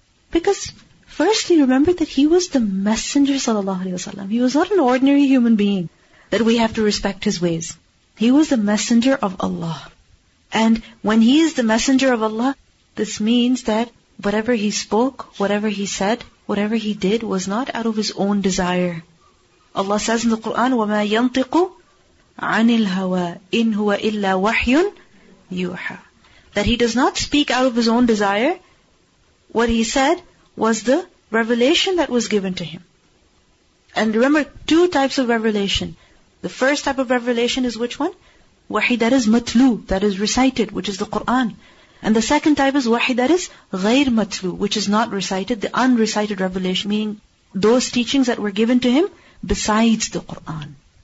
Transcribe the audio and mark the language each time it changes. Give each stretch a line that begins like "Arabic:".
English: Because, firstly, remember that he was the Messenger ﷺ. He was not an ordinary human being that we have to respect his ways. He was the Messenger of Allah. And when he is the Messenger of Allah, this means that whatever he spoke, whatever he said, whatever he did was not out of his own desire. Allah says in the Quran,
Arabic: وَمَا يَنْطِقُ عَنِ الْهَوَىٰ إِنْ هُوَ إِلَّا وَحْيٌ يُوحَىٰ.
English: That he does not speak out of his own desire. What he said was the revelation that was given to him. And remember, two types of revelation. The first type of revelation is which one? Wahi that is matlu, that is recited, which is the Quran. And the second type is wahi that is غير matlu, which is not recited, the unrecited revelation, meaning those teachings that were given to him besides the Qur'an.